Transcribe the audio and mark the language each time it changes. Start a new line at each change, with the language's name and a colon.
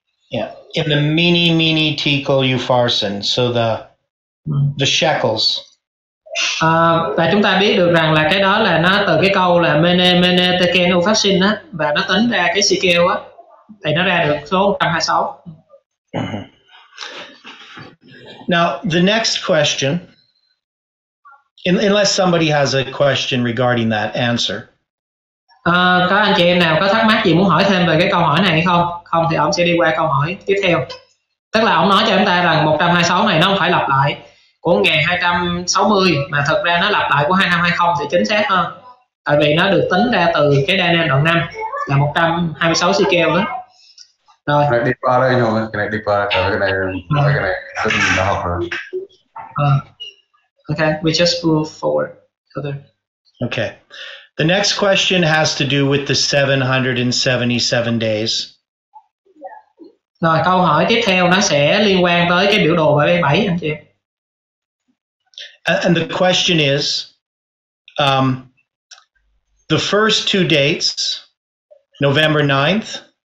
English: Yeah. In the mini tikal upharsin, so the shekels.
Vietnamese: Và chúng ta biết được rằng là cái đó là nó từ cái câu là mene mene tekel upharsin á, và nó tính ra cái shekel á thì nó ra được số 126.
English: Now, the next question, unless somebody has a question regarding that answer.
Vietnamese: Có anh chị em nào có thắc mắc gì muốn hỏi thêm về cái câu hỏi này hay không? Không thì ông sẽ đi qua câu hỏi tiếp theo. Tức là ông nói cho chúng ta rằng 126 này nó không phải lặp lại của 1260, mà thật ra nó lặp lại của 2520 thì chính xác hơn. Tại vì nó được tính ra từ cái Daniel đoạn 5 là 126 shekel đó. Rồi. Đi qua đây nhau, cái này đi qua, cái này tôi mình đã học rồi.
English: Okay, we just move forward. Okay, the next question has to do with the 777 days.
Vietnamese: Rồi câu hỏi tiếp theo nó sẽ liên quan tới cái biểu đồ 77 anh chị.
English: And the question is, the first two dates, November 9th.